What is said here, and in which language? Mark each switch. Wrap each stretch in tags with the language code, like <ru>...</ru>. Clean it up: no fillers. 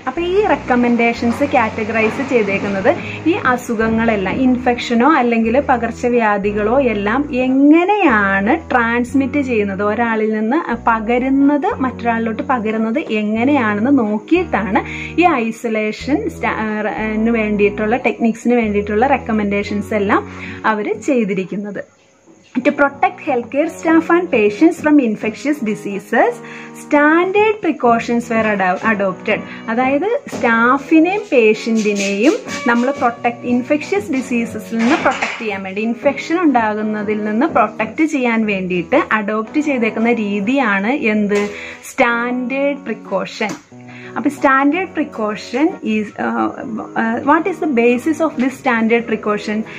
<ml>അപ്പൊ ഈ recommendations categorise ചെയ്തേക്കുന്നത് ഈ അസുഖങ്ങളെല്ലാം, ഇൻഫെക്ഷനോ അല്ലെങ്കിൽ പകർച്ചവ്യാധികളോ എല്ലാം എങ്ങനെയാണ് ട്രാൻസ്മിറ്റ് ചെയ്യുന്നത്, ഒരാളിൽ നിന്ന് പകരുന്നത് മറ്റൊരാളിലോട്ട് പകരുന്നത് എങ്ങനെയാണെന്ന് നോക്കിയിട്ടാണ് ഈ ഐസൊലേഷൻ വേണ്ടിയിട്ടുള്ള ടെക്നിക്സിന് വേണ്ടിയിട്ടുള്ള റെക്കമെൻഡേഷൻസ് എല്ലാം അവർ ചെയ്തിരിക്കുന്നത്.</ml> <en>To protect healthcare staff and patients from infectious diseases, standard precautions were adopted.</en> <ml>അതായത് സ്റ്റാഫിനെയും പേഷ്യൻറ്റിനെയും നമ്മൾ പ്രൊട്ടക്ട്, ഇൻഫെക്ഷ്യസ് ഡിസീസസിൽ നിന്ന് പ്രൊട്ടക്ട് ചെയ്യാൻ വേണ്ടി, ഇൻഫെക്ഷൻ ഉണ്ടാകുന്നതിൽ നിന്ന് പ്രൊട്ടക്ട് ചെയ്യാൻ വേണ്ടിയിട്ട് അഡോപ്റ്റ് ചെയ്തേക്കുന്ന രീതിയാണ് എന്ത്, സ്റ്റാൻഡേർഡ് പ്രിക്കോഷൻ.</ml> <en>അപ്പൊ standard precaution is what is the basis of this standard precaution.</en>